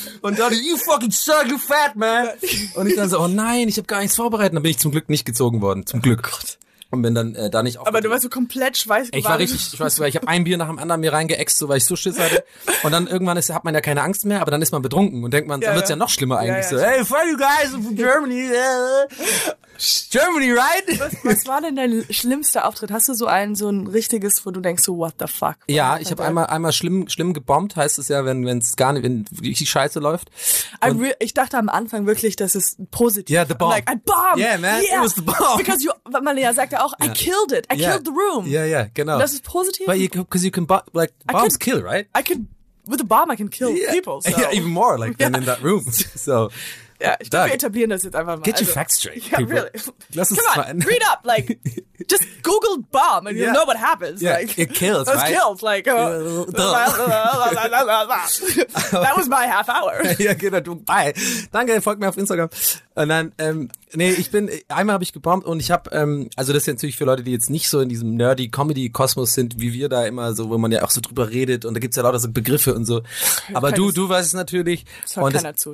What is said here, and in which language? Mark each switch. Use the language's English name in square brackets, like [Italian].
[German] Und dann, [English] you fucking suck, you fat man. [German] Und ich dann so, oh nein, ich habe gar nichts vorbereitet. Dann bin ich zum Glück nicht gezogen worden, zum Glück. Oh Gott. Und bin dann da nicht auf. Aber du warst so komplett schweißgebadet. Ich war richtig schweißgebadet. Ich habe ein Bier nach dem anderen mir reingeext, so weil ich so Schiss hatte. Und dann irgendwann hat man ja keine Angst mehr, aber dann ist man betrunken und denkt man, dann wird's ja noch schlimmer eigentlich. Ja, ja. [English] So, hey, fuck you guys, I'm from Germany. Germany, right? [German] Was war denn dein schlimmster Auftritt? Hast du so ein richtiges, wo du denkst, [English] so what the fuck? [German] Ja, ich habe einmal schlimm gebombt, heißt es ja, wenn es gar nicht, wenn richtig scheiße läuft. Ich dachte am Anfang wirklich, dass es positiv. [English] Yeah, the bomb. Like, I bombed. Yeah, man, yeah. It was the bomb. Because you, man, [German] ja, sagt ja auch, [English] yeah. I killed it. I killed the room. Yeah, yeah, genau. [German] Das ist positiv. [English] But because you can, bombs kill, right? I can, with a bomb I can kill people. So. Yeah, even more, like, than in that room. So... [German] Ja, ich glaube, wir etablieren das jetzt einfach mal. [English] Get your facts straight. Yeah, people. Really. [German] Lass uns [English] come on, [German] mal [English] read up. Like, just Google bomb and you'll know what happens. Yeah, like, it kills, right? It kills. Like, that was my half hour. [German] Ja, genau. Bye. Danke, folgt mir auf Instagram. Und dann, einmal habe ich gebombt und ich habe, also das ist ja natürlich für Leute, die jetzt nicht so in diesem nerdy Comedy-Kosmos sind, wie wir da immer so, wo man ja auch so drüber redet und da gibt's ja lauter so Begriffe und so. Aber du weißt es natürlich. Das hört keiner zu.